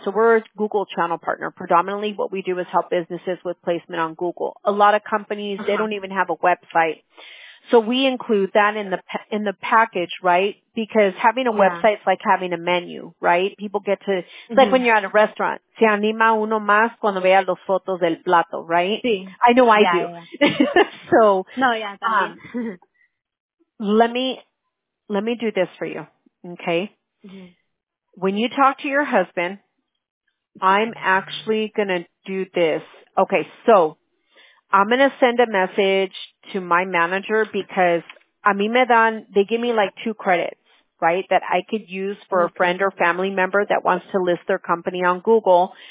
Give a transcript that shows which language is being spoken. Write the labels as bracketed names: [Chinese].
[English] So we're a Google channel partner. Predominantly what we do is help businesses with placement on Google. A lot of companies, they don't even have a website. So we include that in the package, right? Because having a website is like having a menu, right? People get to, it's like when you're at a restaurant. [Spanish] Se anima uno más cuando vea los fotos del plato, right? Sí. [English] I know I do. So. No, yeah. let me do this for you, okay? When you talk to your husband, I'm actually going to do this. Okay, so. I'm going to send a message to my manager because [Spanish] a mí me dan, [English] they give me like 2 credits, right, that I could use for a friend or family member that wants to list their company on Google.